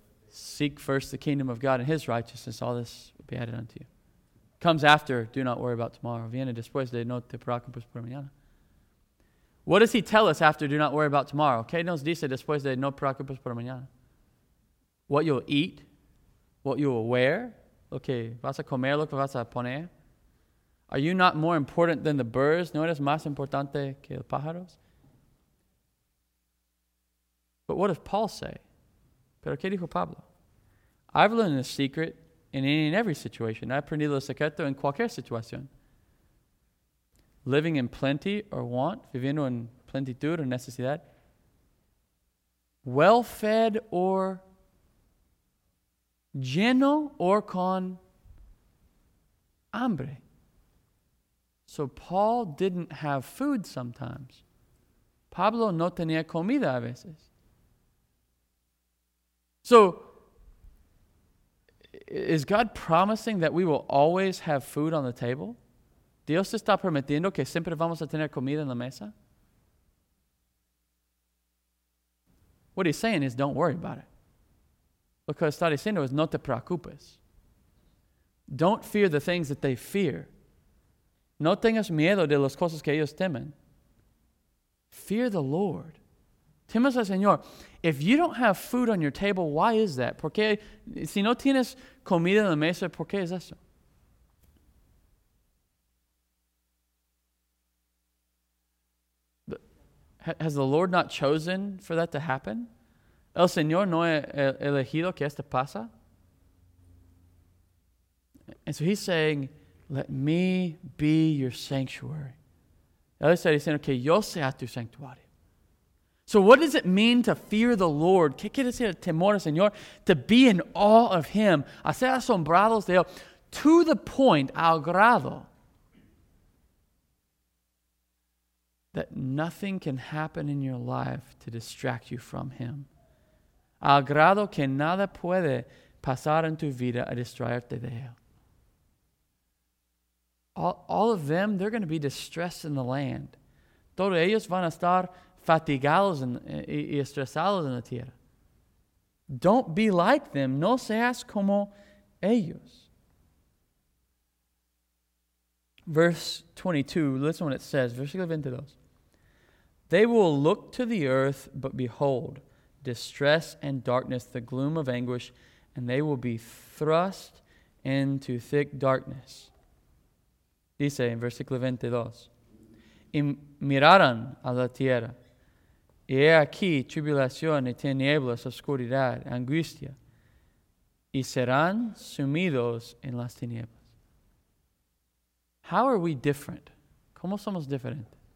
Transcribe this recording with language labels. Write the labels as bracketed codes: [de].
[en] Seek first the kingdom of God and his righteousness, all this will be added unto you. Comes after, do not worry about tomorrow. [es] Viene después de no te preocupes por mañana. [en] What does he tell us after do not worry about tomorrow? [es] ¿Qué nos dice después de no preocupes por mañana? [en] What you'll eat, what you will wear, [es] lo que vas a comer, lo que vas a poner. [en] Are you not more important than the birds? [es] ¿No eres más importante que los pájaros? [en] But what does Paul say? [es] ¿Pero qué dijo Pablo? [en] I've learned the secret in any and every situation. [es] I've aprendido el secreto en cualquier situación. [en] Living in plenty or want, [es] viviendo en plenitud [en] or necesidad. Well-fed [es] or lleno or con hambre. [en] So Paul didn't have food sometimes. [es] Pablo no tenía comida a veces. [en] So is God promising that we will always have food on the table? [es] ¿Dios está permitiendo que siempre vamos a tener comida en la mesa? [en] What he's saying is don't worry about it. [es] Lo que está diciendo es no te preocupes. [en] Don't fear the things that they fear. [es] No tengas miedo de las cosas que ellos temen. [en] Fear the Lord. [es] Temas al Señor. [en] If you don't have food on your table, why is that? [es] ¿Por qué? Si no tienes comida en la mesa, ¿por qué es eso? [en] Has the Lord not chosen for that to happen? [es] ¿El Señor no ha elegido que esto pasa? [en] And so he's saying, let me be your sanctuary. [es] Él está diciendo que yo sea tu santuario. [en] So what does it mean to fear the Lord? [es] ¿Qué quiere decir el temor al Señor? [en] To be in awe of Him. [es] A ser asombrados de Él. [en] To the point, [es] al grado, [en] that nothing can happen in your life to distract you from Him. [es] Al grado que nada puede pasar en tu vida a distraerte de Él. [en] All of them, they're going to be distressed in the land. [es] Todos ellos van a estar fatigados y estresados en la tierra. [en] Don't be like them. [es] No seas como ellos. [en] Verse 22, listen what it says. [es] Versículo 22. [en] They will look to the earth, but behold, distress and darkness, the gloom of anguish, and they will be thrust into thick darkness. [es] Dice en versículo 22. Y mirarán a la tierra, y he aquí tribulación y tinieblas, oscuridad, angustia, y serán sumidos en las tinieblas. [en] How are we different? [es] ¿Cómo somos diferentes?